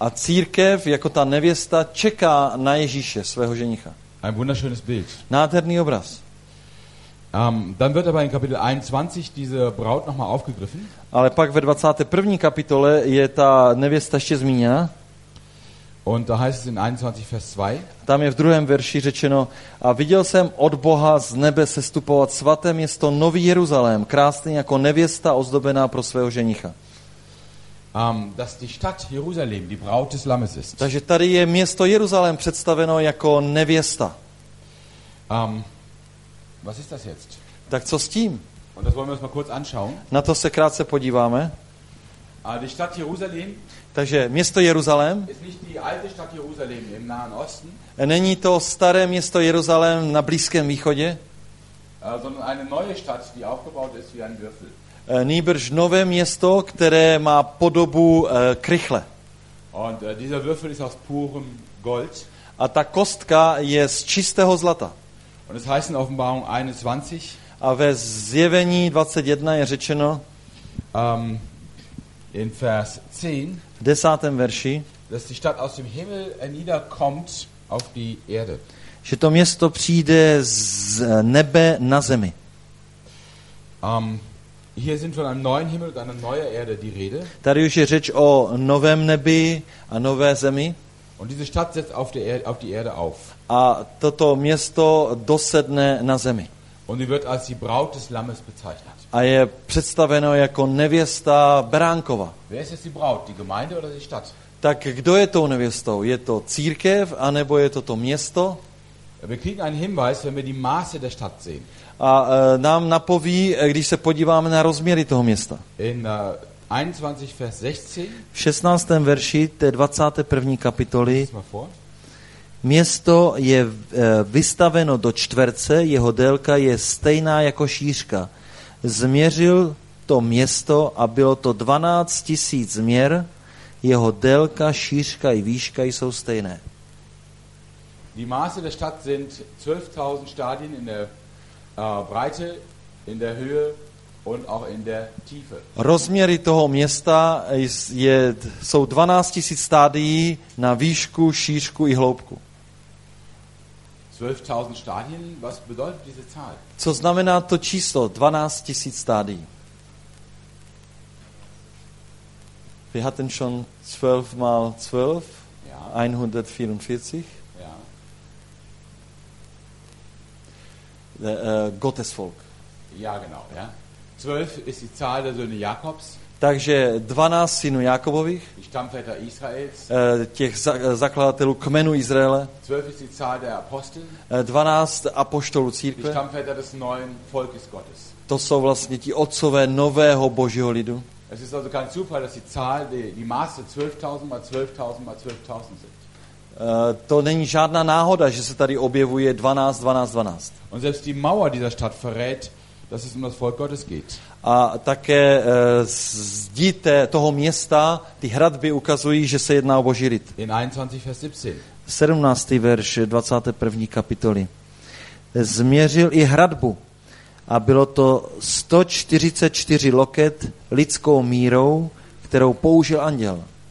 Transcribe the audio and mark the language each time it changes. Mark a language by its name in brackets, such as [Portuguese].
[Czech] A církev jako ta nevěsta čeká na Ježíše, svého ženicha. [German] Ein wunderschönes Bild. [Czech] Nádherný obraz. [German] Dann wird aber in Kapitel 21 diese Braut nochmal aufgegriffen. [Czech] Ale pak ve 21. kapitole je ta nevěsta ještě zmíněna. [German] Und da heißt es in 21 Vers 2. [Czech] Tam je v druhém verši řečeno, a viděl jsem od Boha z nebe sestupovat svaté město Nový Jeruzalém, krásný jako nevěsta ozdobená pro svého ženicha. [German] Dass die Stadt Jerusalem die Braut des Lammes ist. [Czech] Takže tady je město Jeruzalém představeno jako nevěsta. [German] Was ist das jetzt? [Czech] Tak co s tím? [German] Und das wollen wir uns mal kurz anschauen. [Czech] Na to se krátce podíváme. [German] Die Stadt Jerusalem. [Czech] Takže město Jeruzalém. [German] Ist nicht die alte Stadt Jerusalem im Nahen Osten. [Czech] Není to staré město Jeruzalém na Blízkém východě. [German] Sondern eine neue Stadt, die aufgebaut ist wie ein Würfel. [Czech] Nýbrž nové město, které má podobu krychle. [German] Und dieser Würfel ist aus purem Gold. [Czech] A ta kostka je z čistého zlata. [German] Und es heißt in Offenbarung 21. [Czech] A ve Zjevení 21 je řečeno. [German] In Vers 10. [Czech] V 10. verši. [German] Dass die Stadt aus dem Himmel niederkommt auf die Erde. [Czech] Že to město přijde z nebe na zemi. [German] Hier sind von einem neuen Himmel und einer neuen Erde die Rede. [Czech] Tady už je řeč o novém nebi a nové zemi. [German] Und diese Stadt setzt auf die Erde auf. [Czech] A toto město dosedne na zemi. [German] Und sie wird als die Braut des Lammes bezeichnet. [Czech] A je představeno jako nevěsta Beránkova. [German] Wer ist jetzt die Braut, die Gemeinde oder die Stadt? [Czech] Tak kdo je tou nevěstou? Je to církev anebo je to to město? [German] Wir kriegen einen Hinweis, wenn wir die Maße der Stadt sehen. [Czech] A nám napoví, když se podíváme na rozměry toho města. [German] In 21 Vers 16. [Czech] V 16. verši té 21. kapitoly. Město je vystaveno do čtverce, jeho délka je stejná jako šířka. Změřil to město a bylo to 12 000 měr, jeho délka, šířka i výška jsou stejné. [German] Die Maße der Stadt sind 12.000 Stadien in der Breite, in der Höhe und auch in der Tiefe. [Czech] Rozměry toho města jsou 12 000 stádií na výšku, šířku i hloubku. [German] 12.000 Stadien, was bedeutet diese Zahl? [Czech] Co znamená to číslo 12 000 stádií? [German] Wir hatten schon 12 mal 12, ja. 144. Ja. Gottes Volk. Ja, genau. Ja. 12 ist die Zahl der Söhne Jakobs. [Czech] Takže 12 synů Jakobových. [German] Die Stammväter Israels. [Czech] Těch zakladatelů kmenu Izraele. [German] 12 ist die Zahl der Apostel. [Czech] 12 apoštolů církve. [German] Die Stammväter des neuen Volkes Gottes. [Czech] To jsou vlastně ti otcové nového Božího lidu. [German] Es ist also kein Zufall, dass die Zahl, die Maße 12.000 mal 12.000 mal 12.000 sind. [Czech] To není žádná náhoda, že se tady objevuje 12, 12, 12. [German] Und selbst die Mauer dieser Stadt verrät, dass es um das Volk Gottes geht. [Czech] A také zdi toho města, ty hradby ukazují, že se jedná o Boží lid. [German] In 21, Vers 17. [Czech] 17. verš 21. kapitoly. Změřil i hradbu. A bylo to 144 loket lidskou mírou, kterou použil anděl.